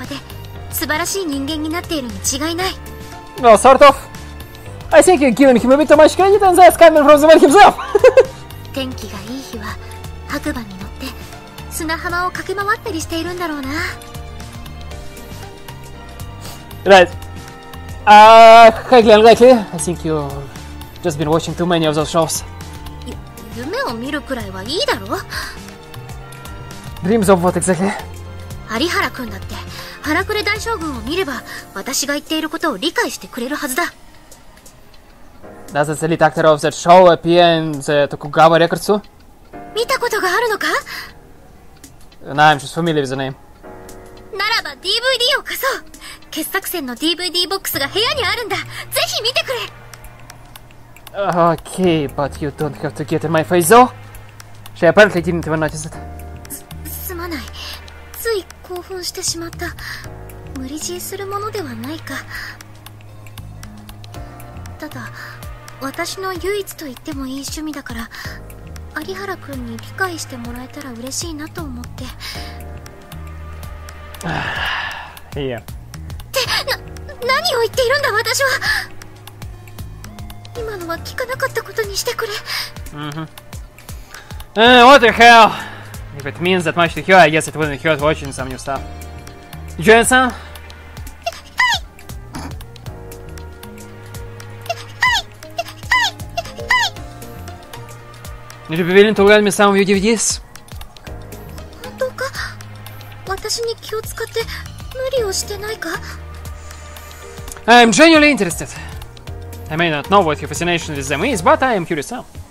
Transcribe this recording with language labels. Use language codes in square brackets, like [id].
[ja] あの子は私と同い年ぐらいなのに、大人を恐れず果敢に悪へと立ち向かう姿勢を見せてくれた。あれには本当に感動した。きっと今頃彼はさぞや立派で素晴らしい人間になっているに違いない。 [en] Well, sort of. I think you're giving him a bit too much credit, and that's coming from the man himself! [ja] 天気がいい日は白馬に乗って砂浜を駆け回ったりしているんだろうな。 [en] Right. Highly unlikely. I think you've just been watching too many of those shows. [ja] 夢を見るくらいはいいだろ? [en] Dreams of what exactly? [ja] 有原君だって、原暮大将軍を見れば私が言っていることを理解してくれるはずだ。 [en] Does the lead actor of that show appear in the Tokugawa records too? [ja] 見たことがあるのか? [en] Nah, I'm just familiar with the name. [ja] ならば DVD を貸そう! 傑作選の DVD ボックスが部屋にあるんだ! ぜひ見てくれ! [en] Okay, but you don't have to get in my face though. She apparently didn't even notice it. [ja] すまない. つい興奮してしまった.無理強いするものではないか。ただ... 私の唯一と言ってもいい趣味だから有原君に理解してもらえたら嬉しいなと思って。いや。って、何を言っているんだ私は。今のは聞かなかったことにしてくれ。うん。 [en] What the hell? If it means that much to you, I guess it wouldn't hurt watching some new stuff. Jensen? Would you be willing to lend me some of your DVDs? [ja] 本当か? 私に気を使って無理をしてないか? [en] I'm genuinely interested. I may not know what your fascination with them is, but I am curious now.